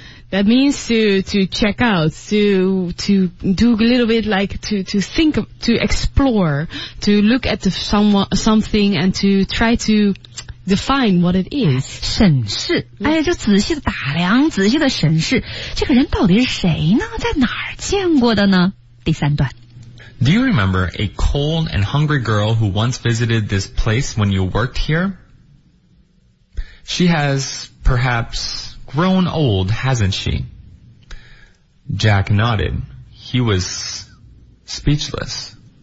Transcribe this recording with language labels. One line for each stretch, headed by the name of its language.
English: That means to check out, to do a little bit like to think of, to explore, to look at something and to try to define what it is.
Chinese: 审视、yeah. 哎，就仔细的打量，仔细的审视，这个人到底是谁呢？在哪儿见过的呢？第三段。
English: Do you remember a cold and hungry girl who once visited this place when you worked here? She has perhaps... grown old, hasn't she? Jack nodded. He was speechless.